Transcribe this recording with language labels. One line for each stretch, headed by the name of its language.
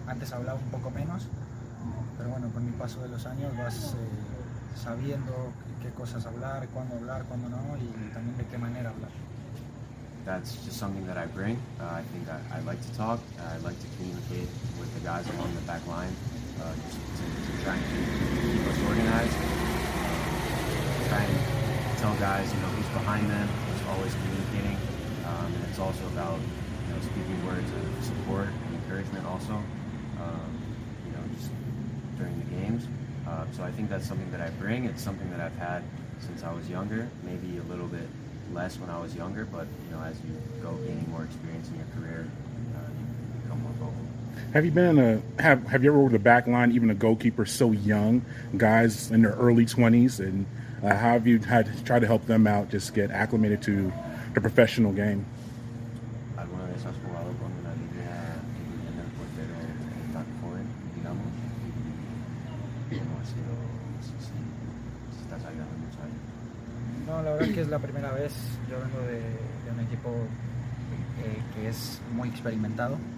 Spanish: Antes hablaba un poco menos. Pero bueno, con el paso de los años vas sabiendo qué cosas hablar, cuándo no, y también de qué manera hablar.
English: that's just something that I bring. I think I like to talk. I like to communicate with the guys along the back line, just to try and keep us organized. Try and tell guys, you know, who's behind them, who's always communicating. And it's also about, you know, speaking words of support and encouragement also, you know, just during the games. So I think that's something that I bring. It's something that I've had since I was younger, maybe a little bit less when I was younger, but, you know, as you go gaining more experience in your career, you become more vocal. Have you been in a, have you ever worked the back line, even a goalkeeper, so young, guys in their early 20s, and how have you had tried to help them out, just get acclimated to the professional game?
Spanish: Alguna vez has jugado con la línea en el portero tan joven, digamos. ¿Cómo ha sido? Si estás ayudando mucho a ellos. No, la verdad es que es la primera vez. Yo vengo de un equipo que es muy experimentado.